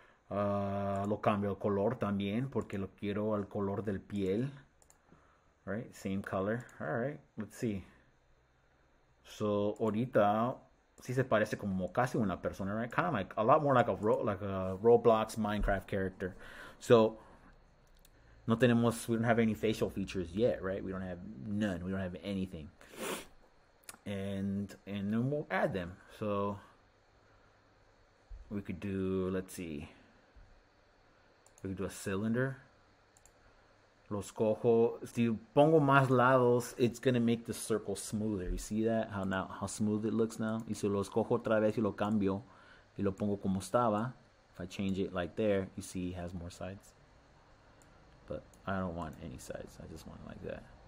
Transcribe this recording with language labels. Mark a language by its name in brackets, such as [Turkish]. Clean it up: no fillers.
[Spanish] Lo cambio el color también porque lo quiero al color del piel. [English] All right, same color. All right, let's see. [Spanish] So, ahorita sí se parece como casi una persona, right? [English] Kind of like a lot more like like a Roblox Minecraft character. So, we don't have any facial features yet, right? We don't have none. We don't have anything. And then we'll add them. So we could do, let's see. We could do a cylinder. [Spanish] Los cojo. Si pongo más lados, [English] it's gonna make the circle smoother. You see that? How smooth it looks now? [Spanish] Y si los cojo otra vez y lo cambio y lo pongo como estaba. [English] If I change it like there, you see it has more sides. But I don't want any sides. I just want it like that.